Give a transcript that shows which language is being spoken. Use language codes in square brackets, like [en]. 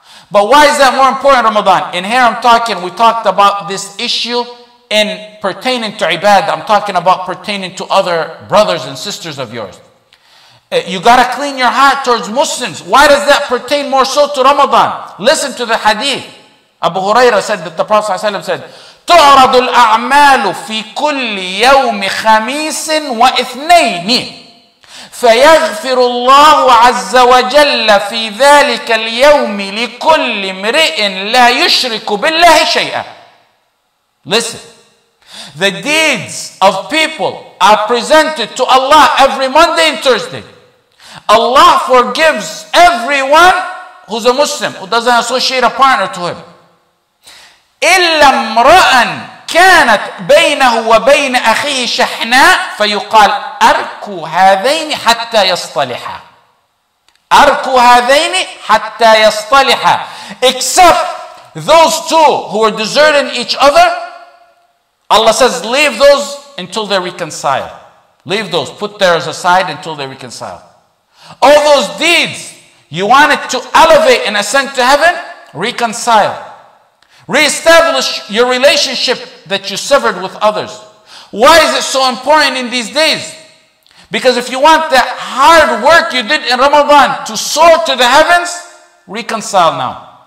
[en] But why is that more important, Ramadan? And here I'm talking, we talked about this issue in pertaining to ibadah. I'm talking about pertaining to other brothers and sisters of yours. You got to clean your heart towards Muslims. Why does that pertain more so to Ramadan? Listen to the hadith. Abu Huraira said that the Prophet ﷺ said, [ar] تُعْرَضُ الْأَعْمَالُ فِي كُلِّ يَوْمِ خَمِيسٍ وَإِثْنَيْنِ فَيَغْفِرُ اللَّهُ عَزَّ وَجَلَّ فِي ذَلِكَ الْيَوْمِ لِكُلِّ امْرِئٍ لَا يُشْرِكُ بِاللَّهِ شَيْئًا [en] Listen. The deeds of people are presented to Allah every Monday and Thursday. Allah forgives everyone who's a Muslim, who doesn't associate a partner to him. [ar] إِلَّا امْرَأً كَانَتْ بَيْنَهُ وَبَيْنَ أَخِيهِ شَحْنَاءُ فَيُقَالْ أَرْكُوا هَذَيْنِ حَتَّى يَصْطَلِحَا أَرْكُوا هَذَيْنِ حَتَّى يَصْطَلِحَا [en] Except those two who are deserting each other, Allah says, leave those until they reconcile. Leave those. Put theirs aside until they reconcile. All those deeds, you wanted to elevate and ascend to heaven, reconcile. Reestablish your relationship that you severed with others. Why is it so important in these days? Because if you want that hard work you did in Ramadan to soar to the heavens, reconcile now.